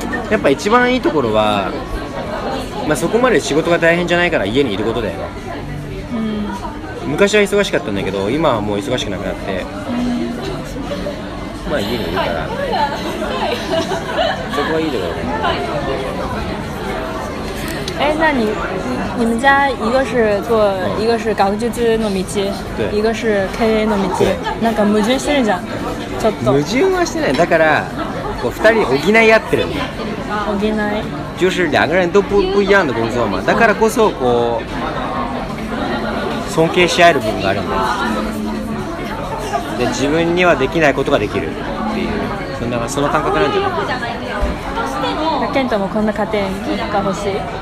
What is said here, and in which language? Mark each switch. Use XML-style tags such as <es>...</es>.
<ja>やっぱ一番いいところは、まあ、そこまで仕事が大変じゃないから家にいることだよ。昔は忙しかったんだけど、今はもう忙しくなくなって、まあ家にいるからそこはいいところだ</ja> <zh>え、那你们家一个是做、うん、一个是学術的道、一个是</zh> <ja>経営の道、</ja> <zh>对、</zh> <ja>なんか矛盾してるじゃん、ちょっと。矛盾はしてない。だからこう二人補い合ってる。補い、</ja> <zh>就是两个人都不一样的工作嘛。</zh> <ja>だからこそこう尊敬し合える部分があるんだ。で、自分にはできないことができるっていう、その感覚なんじゃない？ケントもこんな家庭が欲しい？</ja>